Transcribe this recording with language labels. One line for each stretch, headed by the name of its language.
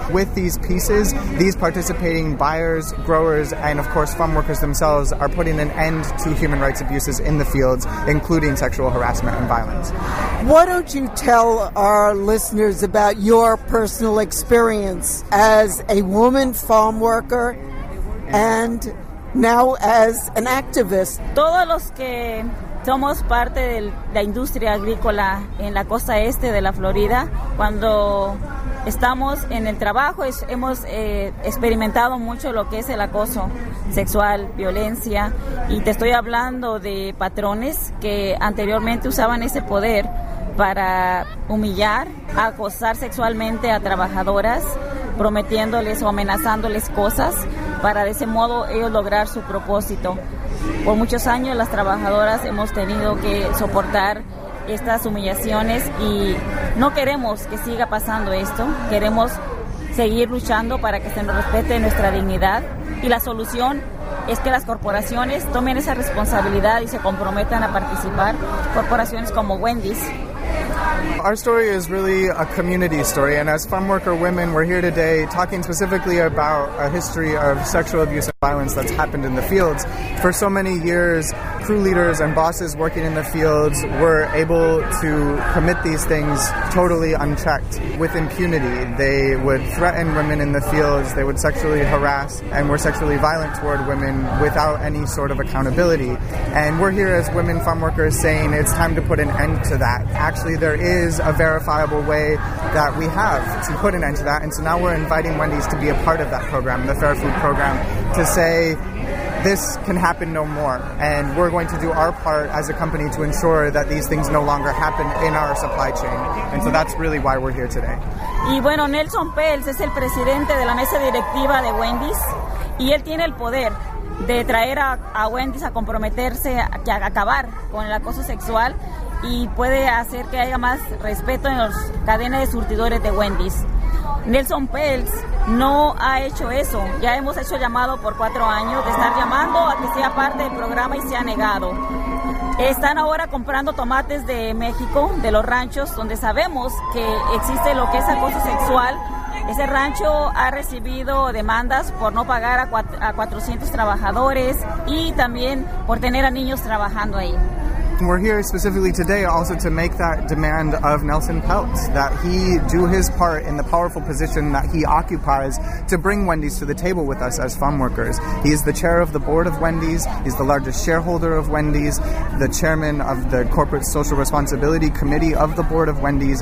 English: With these pieces, these participating buyers, growers, and of course farm workers themselves are putting an end to human rights abuses in the fields, including sexual harassment and violence. Why don't you tell our listeners about your personal experience as a woman farm worker and now as an activist.
Spanish: Todos los que somos parte de la industria agrícola en la costa este de la Florida, cuando estamos en el trabajo, hemos experimentado mucho lo que es el acoso sexual, violencia, y te estoy hablando de patrones que anteriormente usaban ese poder para humillar, acosar sexualmente a trabajadoras, prometiéndoles o amenazándoles cosas para de ese modo ellos lograr su propósito. Por muchos años las trabajadoras hemos tenido que soportar estas humillaciones y no queremos que siga pasando esto. Queremos seguir luchando para que se nos respete nuestra dignidad, y la solución es que las corporaciones tomen esa responsabilidad y se comprometan a participar, corporaciones como Wendy's.
English: Our story is really a community story, and as farm worker women, we're here today talking specifically about a history of sexual abuse and violence that's happened in the fields. For so many years, crew leaders and bosses working in the fields were able to commit these things totally unchecked, with impunity. They would threaten women in the fields, they would sexually harass and were sexually violent toward women without any sort of accountability. And we're here as women farm workers saying it's time to put an end to that. Actually, there is a verifiable way that we have to put an end to that. And so now we're inviting Wendy's to be a part of that program, the Fair Food Program, to say this can happen no more. And we're going to do our part as a company to ensure that these things no longer happen in our supply chain. And so that's really why we're here today.
Spanish: Y bueno, Nelson Peltz es el presidente de la mesa directiva de Wendy's, y él tiene el poder de traer a Wendy's a comprometerse a acabar con el acoso sexual y puede hacer que haya más respeto en las cadenas de surtidores de Wendy's. Nelson Peltz no ha hecho eso. Ya hemos hecho llamado por 4 años de estar llamando a que sea parte del programa y se ha negado. Están ahora comprando tomates de México, de los ranchos, donde sabemos que existe lo que es acoso sexual. Ese rancho ha recibido demandas por no pagar a 400 trabajadores y también por tener a niños trabajando ahí.
English: We're here specifically today also to make that demand of Nelson Peltz, that he do his part in the powerful position that he occupies to bring Wendy's to the table with us as farm workers. He is the chair of the board of Wendy's. He's the largest shareholder of Wendy's, the chairman of the corporate social responsibility committee of the board of Wendy's.